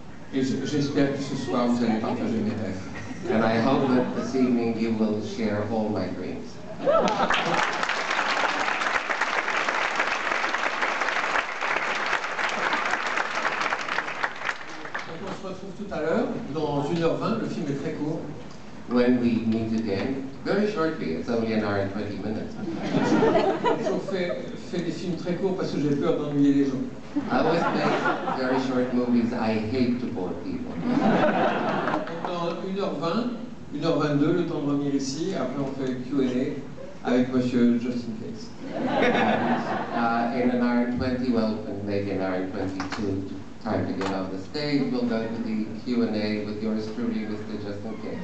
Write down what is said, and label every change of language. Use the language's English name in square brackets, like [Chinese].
[French] J'espère que ce soir vous allez partager mes rêves. [English] And I hope that this evening you will share all my dreams. [French] Donc on se retrouve tout à l'heure, dans 1h20, le film est très court. [English] When we meet again, very shortly, it's only an hour and 20 minutes. [French] Je fais des films très courts parce que j'ai peur d'ennuyer les gens. [English] I always make very short movies. I hate to bore people. [French] Dans 1h20, 1h22, le temps de revenir ici, après on fait Q&A avec Monsieur Justin Case. [English] In an hour and 20, well, maybe an hour and 22, time to get off the stage, we'll go to the Q&A with yours truly, Mr. Justin.